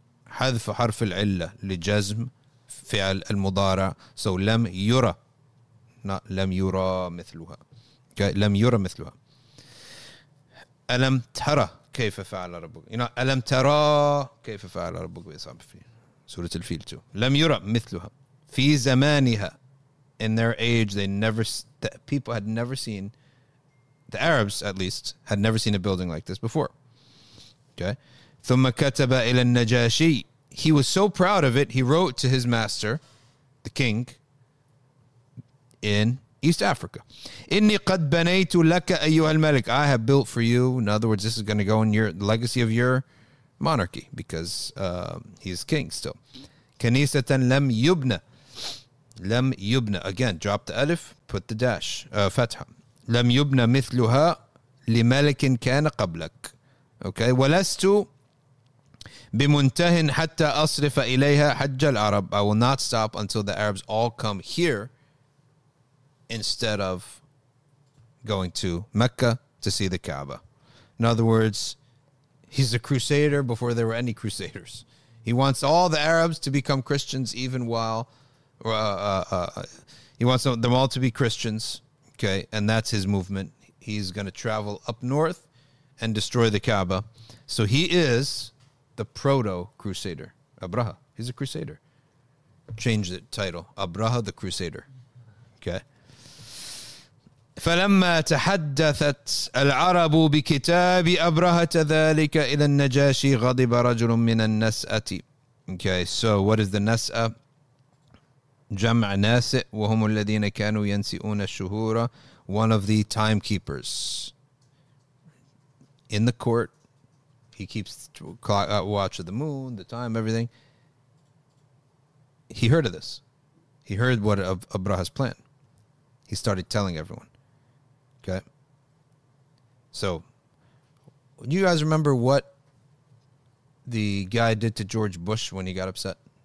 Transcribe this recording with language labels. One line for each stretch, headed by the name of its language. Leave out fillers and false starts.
Arabic: حذف حرف العلة لجزم فعل المضارع. So لم يرى. Not لم يرى مثلها. Okay? لم يرى مثلها. ألم ترى كيف فعل ربك.
English: You know,
Arabic: ألم ترى كيف فعل ربك بأصحاب الفيل. سورة الفيل 2. لم يرى مثلها. في زمانها.
English: In their age, people had never seen, the Arabs at least, had never seen a building like this before.
Arabic: ثم كتب إلى النجاشي.
English: He was so proud of it, he wrote to his master, the king, in East Africa.
Arabic: إني قد بنيت لك أيها الملك.
English: I have built for you. In other words, this is going to go in your legacy of your monarchy, because he is king still.
Arabic: كنيسة لم يبنى. لم يبنى.
English: Again, drop the ألف, put the dash, فتحة.
Arabic: لم يبنى مثلها لملك كان قبلك. Okay, ولست بمنتهن حتى أصرف إليها حج العرب.
English: I will not stop until the Arabs all come here instead of going to Mecca to see the Kaaba. In other words, he's a crusader before there were any crusaders. He wants all the Arabs to become Christians, even while he wants them all to be Christians. Okay, and that's his movement. He's going to travel up north and destroy the Kaaba. So he is the proto-crusader, Abraha. He's a crusader. Change the title, Abraha the Crusader. Okay.
Arabic: فَلَمَّا تَحَدَّثَتْ الْعَرَبُ بِكِتَابِ أَبْرَهَةَ ذَلِكَ إِلَى النَّجَاشِ غَضِبَ رَجُلٌ مِّنَ النَّسْأَةِ.
English: Okay, so what is the نَسْأَة?
Arabic: جمع ناسئ وهم الذين كانوا ينسئون الشهور.
English: One of the timekeepers in the court. He keeps watch of the moon, the time, everything. He heard of this. He heard what of Abraha's plan. He started telling everyone. Okay. So, do you guys remember what the guy did to George Bush when he got upset?